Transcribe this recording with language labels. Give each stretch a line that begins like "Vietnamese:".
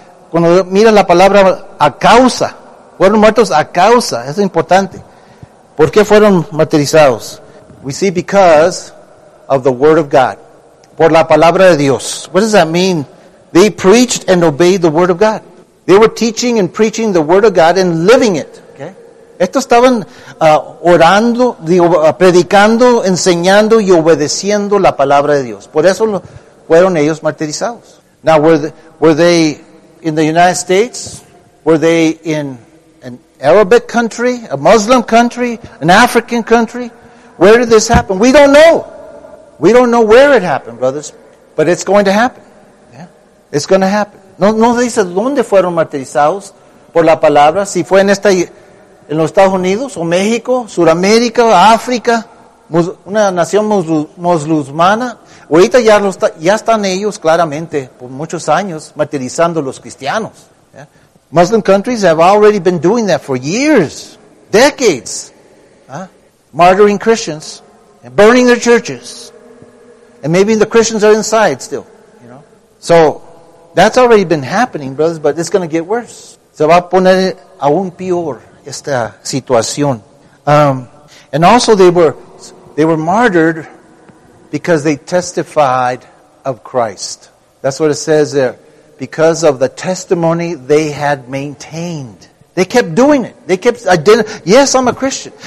Spanish: Cuando miras la palabra a causa, fueron muertos a causa, es importante. ¿Por qué fueron martirizados?
English: We see because of the word of God.
Spanish: Por la palabra de Dios.
English: What does that mean? They preached and obeyed the word of God. They were teaching and preaching the word of God and living it. Okay.
Spanish: Estos estaban orando, predicando, enseñando y obedeciendo la palabra de Dios. Por eso fueron ellos martirizados.
English: Now, were they in the United States? Were they in an Arabic country, a Muslim country, an African country? Where did this happen? We don't know. We don't know where it happened, brothers. But it's going to happen. Yeah. It's going to happen.
Spanish: No dice dónde fueron martirizados por la palabra, si fue en los Estados Unidos o México, Sudamérica, África, una nación musulmana. Ahorita ya están ellos claramente por muchos años martirizando los cristianos.
English: Yeah. Muslim countries have already been doing that for years, decades, martyring Christians, burning their churches, and maybe the Christians are inside still. You know, so. That's already been happening, brothers, but it's going to get worse.
Spanish: Se va a poner aún peor esta situación.
English: And also they were martyred because they testified of Christ. That's what it says there. Because of the testimony they had maintained. They kept doing it. They kept identifying. Yes, I'm a Christian.